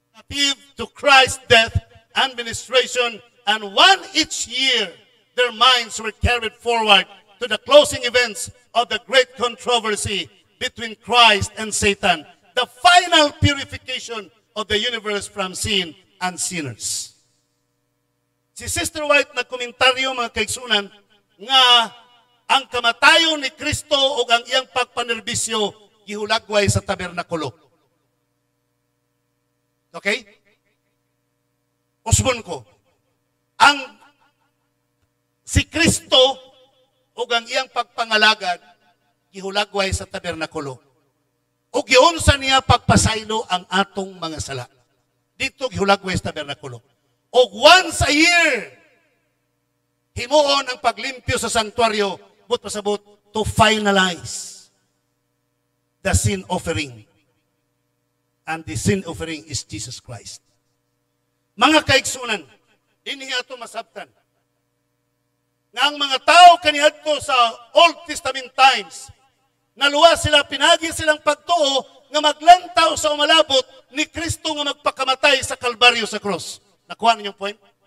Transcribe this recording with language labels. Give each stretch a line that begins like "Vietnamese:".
English: relative to Christ's death and ministration, and one each year their minds were carried forward to the closing events of the great controversy between Christ and Satan, the final purification of the universe from sin and sinners.
Cebuano: Si Sister White na komentaryo mga kaigsunan nga ang kamatayon ni Kristo o ang iyang pagpanerbisyo gihulagway sa tabernakulo. Okay? Usbon ko. Ang si Kristo o ang iyang pagpangalagad gihulagway sa tabernakulo. O giunsa niya pagpasaylo ang atong mga sala. Dito gihulagway sa tabernakulo.
English: O once a year,
Cebuano: himuon ang paglimpyo sa santuario,
English: but pasabot, to finalize the sin offering. And the sin offering is Jesus Christ.
Cebuano: Mga kaigsunan, dinhi ato masabtan, nga ang mga tao kaniadto sa Old Testament times, naluwas sila, pinagi silang pagtuo nga maglantaw sa umalabot ni Kristo nga magpakamatay sa Kalbaryo sa cross. Nakuha ninyo yung point?